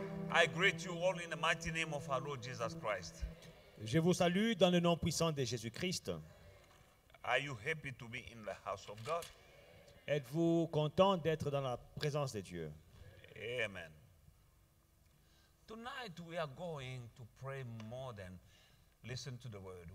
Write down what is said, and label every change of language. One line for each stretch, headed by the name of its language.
English: I greet you all in the mighty name of our Lord Jesus Christ.
French: Je vous salue dans le nom puissant de Jésus-Christ.
English: Are you happy to be in the house of God?
French: Êtes-vous content d'être dans la présence de Dieu?
English: Amen. Tonight we are going to pray more than listen to the word.